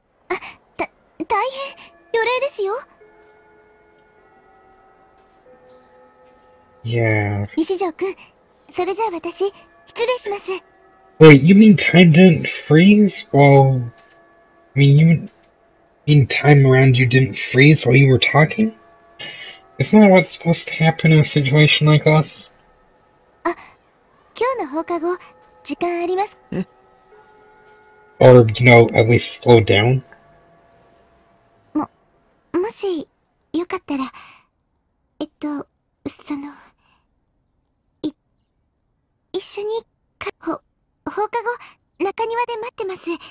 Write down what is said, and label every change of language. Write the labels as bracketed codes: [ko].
[ja] あ、大変、予礼ですよ。 [en] Yeah. [ja] 西条くん、それじゃあ私、失礼します。 [en] Wait, you mean time didn't freeze while... I mean, you mean time around you didn't freeze while you were talking? Isn't that what's supposed to happen in a situation like this? [ja] あ、今日の放課後、時間あります？え？ [en] Or, you know, at least slow down? [ja] もし、よかったら、その、一緒に、放課後、中庭で待ってます。